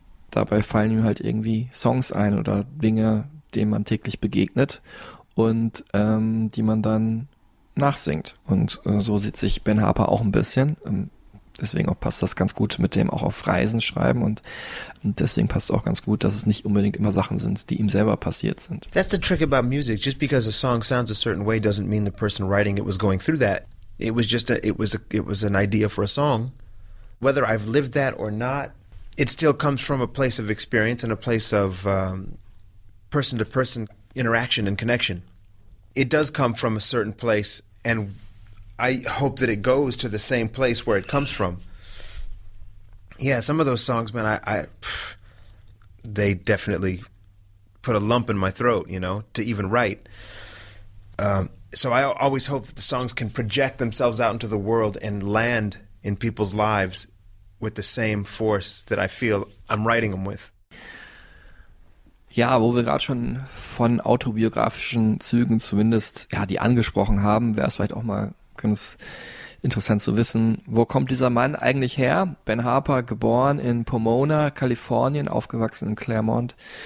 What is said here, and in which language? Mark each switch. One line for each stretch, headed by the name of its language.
German: dabei fallen ihm halt irgendwie Songs ein oder Dinge, denen man täglich begegnet und die man dann nachsingt und so sieht sich Ben Harper auch ein bisschen, deswegen auch passt das ganz gut mit dem auch auf Reisen schreiben und deswegen passt es auch ganz gut, dass es nicht unbedingt immer Sachen sind, die ihm selber passiert sind.
English: That's the trick about music. Just because a song sounds a certain way doesn't mean the person writing it was going through that. It was just an idea for a song. Whether I've lived that or not, it still comes from a place of experience and a place of person-to-person interaction and connection. It does come from a certain place and I hope that it goes to the same place where it comes from. Yeah, some of those songs, man, they definitely put a lump in my throat, you know, to even write. So I always hope that the songs can project themselves out into the world and land in people's lives with the same force that I feel I'm writing them with.
German: Ja, wo wir gerade schon von autobiografischen Zügen zumindest, ja, die angesprochen haben, wäre es vielleicht auch mal ganz interessant zu wissen, wo kommt dieser Mann eigentlich her? Ben Harper, geboren in Pomona, Kalifornien, aufgewachsen in Claremont.